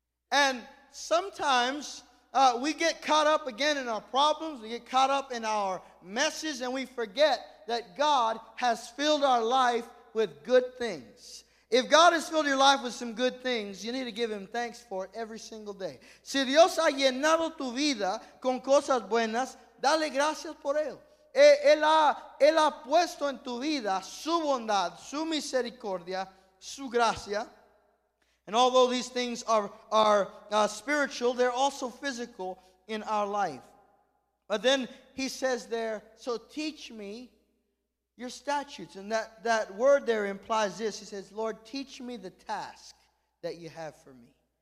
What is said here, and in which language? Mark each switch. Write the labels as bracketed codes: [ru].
[en] And sometimes we get caught up again in our problems. We get caught up in our messes. And we forget that God has filled our life with good things. If God has filled your life with some good things, you need to give him thanks for it every single day. [es] Si Dios ha llenado tu vida con cosas buenas, dale gracias por él. Él ha puesto en tu vida su bondad, su misericordia, su gracia. [en] And although these things are spiritual, they're also physical in our life. But then he says there, so teach me your statutes. And that word there implies this. He says, Lord, teach me the task that you have for me.